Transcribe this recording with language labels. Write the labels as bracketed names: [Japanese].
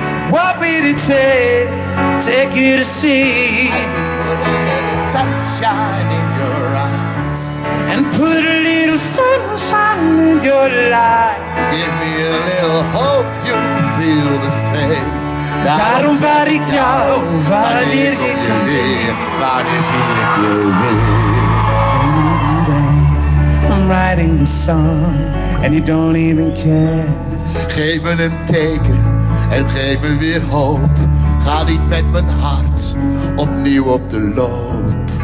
[English] What would it take you to see? I put a little sunshine in your eyes. And put a little sunshine in your life. Give me a little hope you feel the same. [Dutch] Daarom vraag ik jou, wanneer ik je weer? Wanneer zie ik je weer? [English] I'm writing the song and you don't even care. [Dutch] Geef me een teken en geef me weer hoop. Ga niet met mijn hart opnieuw op de loop.